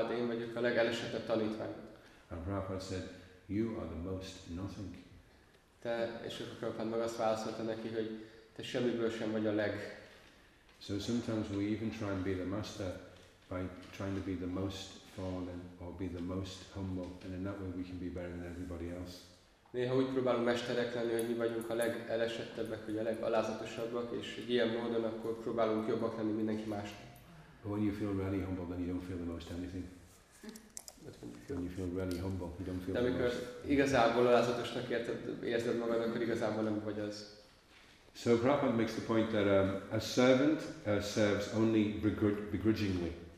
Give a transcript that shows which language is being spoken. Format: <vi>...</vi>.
<en>And Prabhupada said, "You are the most nothing." So sometimes we even try and be the master by trying to be the most fallen or be the most humble, and in that way we can be better than everybody else.</en> <hu>Néha úgy próbálunk mesterek lenni, hogy mi vagyunk a legelesettebbek, vagy a legalázatosabbak, és ilyen módon akkor próbálunk jobbak lenni mindenki másnak.</hu> <en>But when you feel really humble, then you don't feel the most anything. When you feel really humble, you don't feel the most.</en> <hu>De igazából alázatosnak érzed magad, akkor igazából nem vagy az.</hu> <en>So Prabhupada makes the point that a servant serves only begrudgingly.</en>